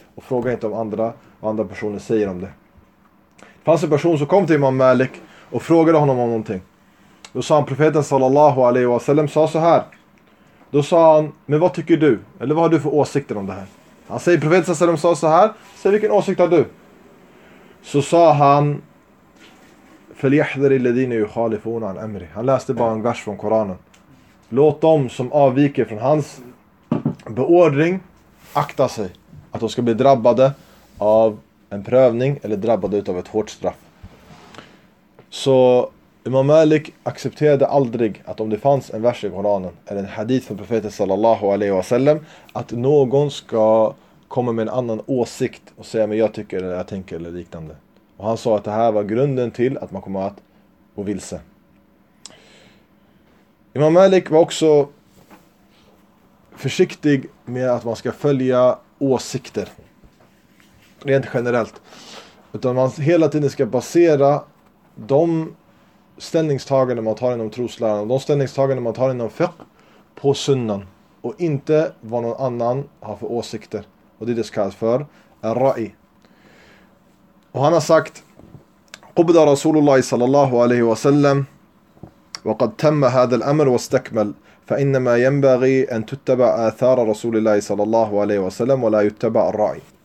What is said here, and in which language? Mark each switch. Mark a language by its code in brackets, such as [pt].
[sv] Och fråga inte om andra, vad andra personer säger om det. Det fanns en person som kom till Imam Malik och frågade honom om någonting. Då sa han, profeten sallallahu alaihi wa sallam sa så här. Då sa han, men vad tycker du? Eller vad har du för åsikter om det här? Han säger, profeten sallallahu alaihi wa sallam sa så här. Säg, vilken åsikt har du? Så sa han, [ar] فَلْيَحْذَرِ الَّذِينَ يُخَالِفُونَ عَنْ أَمْرِ. [sv] Han läste bara en vers från Koranen. Låt dem som avviker från hans beordring akta sig att de ska bli drabbade av en prövning eller drabbade av ett hårt straff. Så Imam Malik accepterade aldrig att om det fanns en vers i Koranen eller en hadith från profeten sallallahu alaihi wasallam att någon ska komma med en annan åsikt och säga, men jag tycker eller jag tänker eller liknande. Och han sa att det här var grunden till att man kommer att gå vilse. Imam Malik var också försiktig med att man ska följa åsikter. Rent generellt. Utan man hela tiden ska basera de ställningstagande man tar inom trosläran. De ställningstagande man tar inom fiqh på sunnan. Och inte vad någon annan har för åsikter. Och det kallas för ra'i. Och han har sagt, [ar] قُبْدَ رَسُولُ اللَّهِ صَلَى اللَّهُ عَلَيْهِ وَسَلَّمُ وَقَدْ تَمَّ هَذَا الْأَمْرُ وَاسْتَكْمَلُ فَإِنَّمَا يَنْبَغِي أَنْ تُتَّبَعْ آثَارَ رَسُولِ اللَّهِ صَلَى اللَّهُ عَلَيْهِ وَسَلَّمُ وَلَا يُتَّبَعْ الرَّعِي.